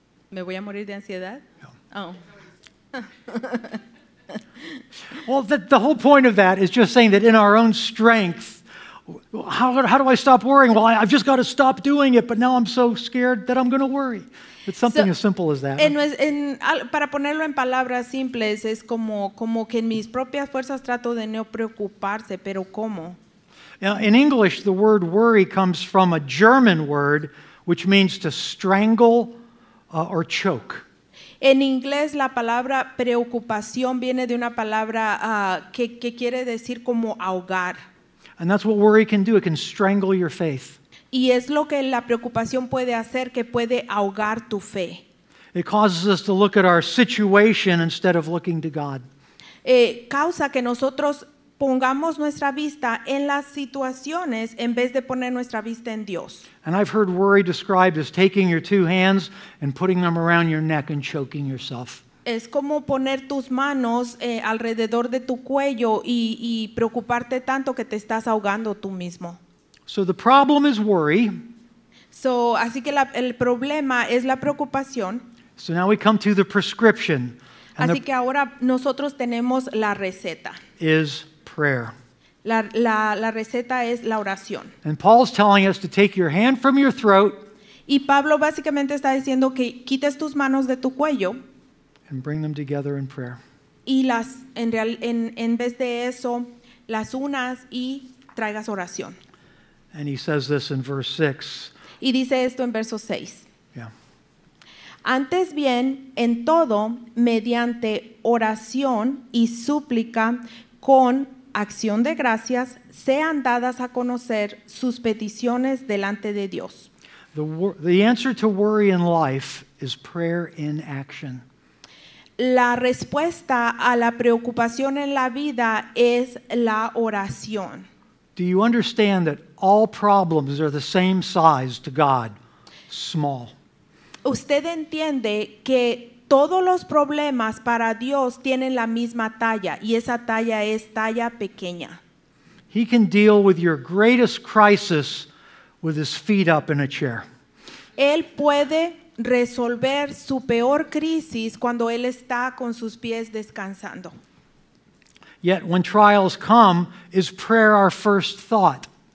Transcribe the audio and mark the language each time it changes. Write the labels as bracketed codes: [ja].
[es] Me voy a morir de ansiedad? Oh. [en] Well, the whole point of that is just saying that in our own strength, how do I stop worrying? Well, I've just got to stop doing it, but now I'm so scared that I'm going to worry. It's something as simple as that. [es] Para ponerlo en palabras simples, es como que en mis propias fuerzas trato de no preocuparse, pero ¿cómo? [en] Now, in English, the word worry comes from a German word, which means to strangle or choke. [es] En inglés, la palabra preocupación viene de una palabra que quiere decir como ahogar. [en] And that's what worry can do. It can strangle your faith. [es] Y es lo que la preocupación puede hacer, que puede ahogar tu fe. [en] It causes us to look at our situation instead of looking to God. [es] Causa que nosotros pongamos nuestra vista en las situaciones en vez de poner nuestra vista en Dios. [en] And I've heard worry described as taking your two hands and putting them around your neck and choking yourself. [es] Es como poner tus manos alrededor de tu cuello y preocuparte tanto que te estás ahogando tú mismo. [en] So the problem is worry. [es] So, así que el problema es la preocupación. [en] So now we come to the prescription. [es] Así que ahora nosotros tenemos la receta. [en] Is prayer. [es] La receta es la oración. [en] And Paul's telling us to take your hand from your throat. [es] Y Pablo básicamente está diciendo que quites tus manos de tu cuello. [en] And bring them together in prayer. [es] Y las en vez de eso las unas y traigas oración. [en] And he says this in verse 6. [es] Y dice esto en verso 6. [en] Yeah. [es] Antes bien, en todo, mediante oración y súplica, con acción de gracias, sean dadas a conocer sus peticiones delante de Dios. [en] The answer to worry in life is prayer in action. [es] La respuesta a la preocupación en la vida es la oración. [en] Do you understand that all problems are the same size to God? Small. [es] ¿Usted entiende que todos los problemas para Dios tienen la misma talla y esa talla es talla pequeña? [en] He can deal with your greatest crisis with his feet up in a chair. [es] Él puede resolver su peor crisis cuando él está con sus pies descansando. [en] Yet when trials come, is prayer our first thought?